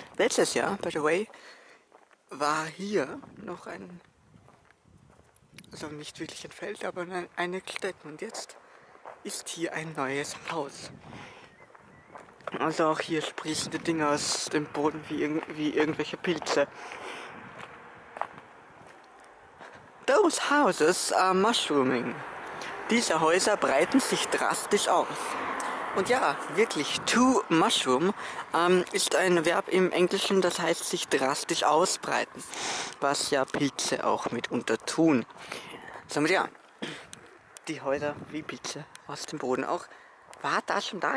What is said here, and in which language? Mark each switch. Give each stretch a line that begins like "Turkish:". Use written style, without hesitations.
German: Letztes Jahr,
English: by the way,
German: war hier noch ein, also nicht wirklich ein Feld, aber eine Stätte. Und jetzt ist hier ein neues Haus. Also auch hier sprießende Dinge aus dem Boden, wie irgendwelche Pilze.
English: Haus Hauses are mushrooming.
German: Diese Häuser breiten sich drastisch aus. Und ja, wirklich,
English: to mushroom
German: ist ein Verb im Englischen, das heißt sich drastisch ausbreiten. Was ja Pilze auch mitunter tun. Sagen wir ja, die Häuser wie Pilze aus dem Boden auch. War das schon da?